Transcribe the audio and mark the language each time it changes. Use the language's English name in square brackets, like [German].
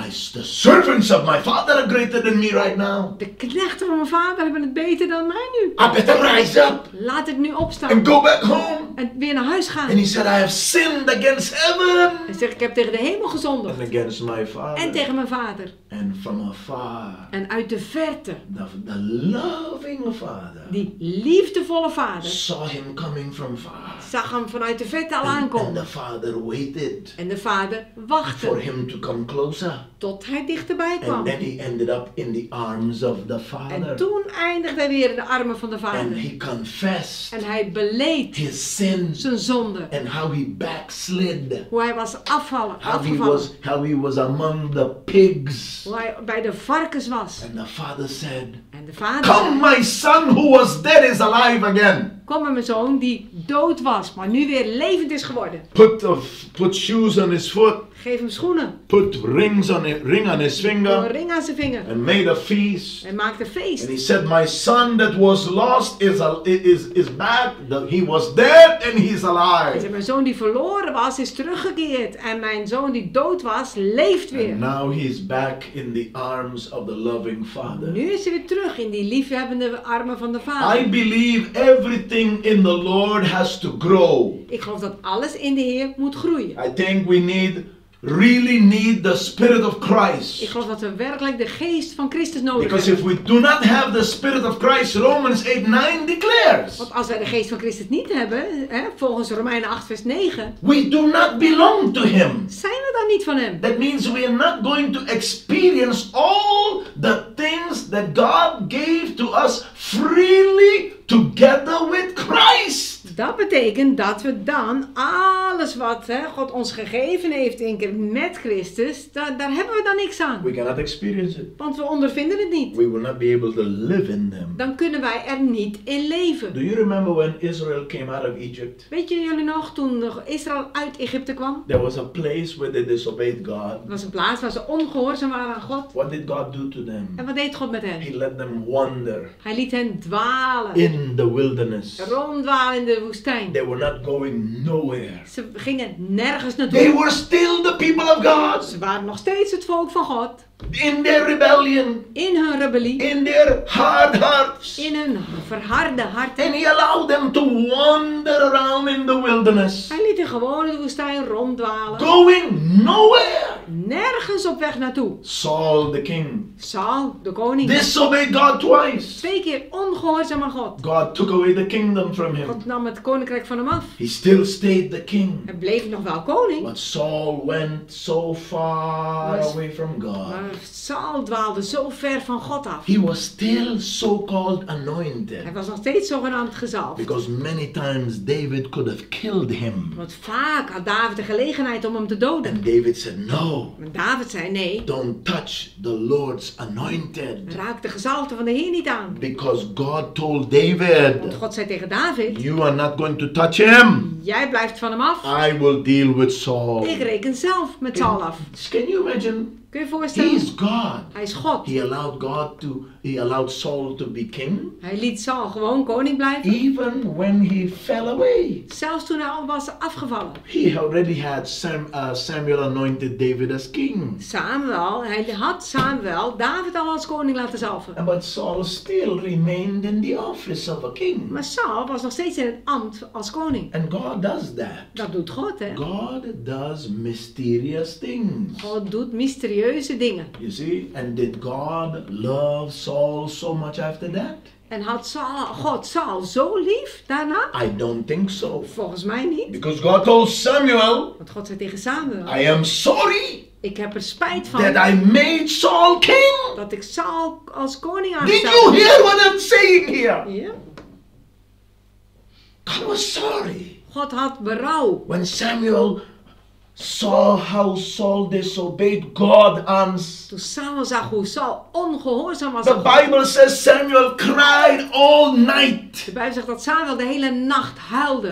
[English] The servants of my father are greater than me right now. [Dutch] De knechten van mijn vader hebben het beter dan mij nu. [English] I better rise up. [Dutch] Laat ik nu opstaan. [English] And go back home. [Dutch] En weer naar huis gaan. [English] And he said, I have sinned against heaven. [Dutch] Hij zegt, ik heb tegen de hemel gezondigd. [English] And against my father. [Dutch] En tegen mijn vader. [English] And from afar. [Dutch] En uit de verte. [English] The loving father. [Dutch] Die liefdevolle vader. [English] Saw him coming from far. [Dutch] Zag hem vanuit de verte al aankomen. [English] And the father waited. [Dutch] En de vader wachtte. [English] For him to come closer. [Dutch] Tot hij dichterbij kwam. [English] And then he ended up in the arms of the father. [Dutch] En toen eindigde hij weer in de armen van de vader. [English] And he confessed. [Dutch] En hij beleed. [English] His sin. [Dutch] Zijn zonde. [English] And how he backslid. [Dutch] Hoe hij was afgevallen. [English] How he was among the pigs. [Dutch] Hoe hij bij de varkens was. [English] And the father said, [Dutch] en de vader [English] come [Dutch] zei, [English] my son who was dead is alive again. [Dutch] Kom maar mijn zoon die dood was, maar nu weer levend is geworden. [English] Put shoes on his foot. [Dutch] Geef hem schoenen. [English] Put rings on his, ring on his finger. [Dutch] Een ring aan zijn vinger. [English] And made a feast. [Dutch] En maakte een feest. [English] And he said, my son that was lost is back. He was dead and he's alive. [Dutch] Hij zei, mijn zoon die verloren was is teruggekeerd. En mijn zoon die dood was leeft weer. [English] And now he's back in the arms of the loving father. [Dutch] Nu is hij weer terug in die liefhebbende armen van de vader. [English] I believe everything in the Lord has to grow. [Dutch] Ik geloof dat alles in de Heer moet groeien. [English] I think we need... Really need the Spirit of Christ. [Dutch] Ik geloof dat we werkelijk de Geest van Christus nodig hebben. [English] Because if we do not have the Spirit of Christ, Romans 8:9 declares. [Dutch] Want als wij de Geest van Christus niet hebben, hè, volgens Romeinen 8 vers 9. [English] We do not belong to him. [Dutch] Zijn we dan niet van hem? [English] That means we are not going to experience all the things that God gave to us freely together with Christ. [Dutch] Dat betekent dat we dan alles wat God ons gegeven heeft in met Christus, daar hebben we dan niks aan. [English] We cannot experience it. [Dutch] Want we ondervinden het niet. [English] We will not be able to live in them. [Dutch] Dan kunnen wij er niet in leven. [English] Do you remember when Israel came out of Egypt? [Dutch] Weet je jullie nog toen Israël uit Egypte kwam? [English] There was a place where they disobeyed God. [Dutch] Er was een plaats waar ze ongehoorzaam waren aan God. [English] What did God do to them? [Dutch] En wat deed God met hen? [English] He let them wander. [Dutch] Hij liet hen dwalen. [English] In the wilderness. [Dutch] Ronddwalen in de woestijn. [English] They were not going nowhere. [Dutch] Ze gingen nergens naartoe. [English] They were still the people of God. [Dutch] Ze waren nog steeds het volk van God. [English] In their rebellion. [Dutch] In hun rebellie. [English] In their hard hearts. [Dutch] In hun verharde harten. [English] And he allowed them to wander around in the wilderness. [Dutch] Hij liet hen gewoon in de woestijn ronddwalen. [English] Going nowhere. [Dutch] Nergens op weg naartoe. [English] Saul the king. [Dutch] Saul de koning. [English] Disobeyed God twice. [Dutch] Twee keer ongehoorzaam aan God. [English] God took away the kingdom from him. [Dutch] God nam het koninkrijk van hem af. [English] He still stayed the king. [Dutch] Hij bleef nog wel koning. [English] But Saul went so far away from God. [Dutch] Saul dwaalde zo ver van God af. [English] He was still so-called anointed. [Dutch] Hij was nog steeds zogenaamd gezalfd. [English] Because many times David could have killed him. [Dutch] Want vaak had David de gelegenheid om hem te doden. [English] And David said no. [Dutch] Maar David zei nee. [English] Don't touch the Lord's anointed. [Dutch] Raak de gezalfde van de Heer niet aan. [English] Because God told David. [Dutch] Want God zei tegen David. [English] You are not going to touch him. [Dutch] Jij blijft van hem af. [English] I will deal with Saul. [Dutch] Ik reken zelf met Saul af. [English] Can you imagine? [Dutch] Kun je voorstellen? [English] He is God. [Dutch] Hij is God. [English] He allowed Saul to be king. [Dutch] Hij liet Saul gewoon koning blijven. [English] Even when he fell away. [Dutch] Zelfs toen hij al was afgevallen. [English] He already had Samuel anointed David as king. [Dutch] Samuel, hij had Samuel David al als koning laten zalven. [English] And but Saul still remained in the office of a king. [Dutch] Maar Saul was nog steeds in het ambt als koning. [English] And God does that. [Dutch] Dat doet God, hè? [English] God does mysterious things. [Dutch] God doet mysterieuze dingen. [English] You see? And did God love Saul so much after that? [Dutch] En had God Saul zo lief daarna? [English] I don't think so. [Dutch] Volgens mij niet. [English] Because God told Samuel. [Dutch] Want God zei tegen Samuel. [English] I am sorry. [Dutch] Ik heb er spijt van. [English] That I made Saul king. [Dutch] Dat ik Saul als koning aanstelde. [English] Did you hear what I'm saying here? Yeah. God was sorry. [Dutch] God had berouw. [English] When Samuel saw how Saul disobeyed God and [Dutch] Samuel zag hoe Saul ongehoorzaam was. [English] The Bible says Samuel cried all night. [Dutch] De Bijbel zegt dat Samuel de hele nacht huilde.